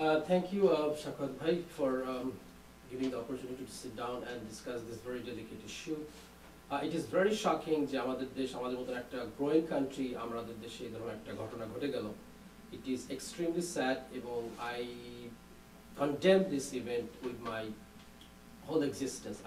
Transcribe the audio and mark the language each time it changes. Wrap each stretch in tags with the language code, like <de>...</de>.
<en>Thank you, Shakwat Bhai, for giving the opportunity to sit down and discuss this very delicate issue. It is very shocking</en> <bn>যে আমাদের দেশ, আমাদের মতো একটা</bn> <en>growing country,</en> <bn>আমাদের দেশে এই ধরনের একটা ঘটনা ঘটে গেল।</bn> <en>It is extremely sad</en> <bn>এবং</bn> <en>I condemn this event with my whole existence.</en>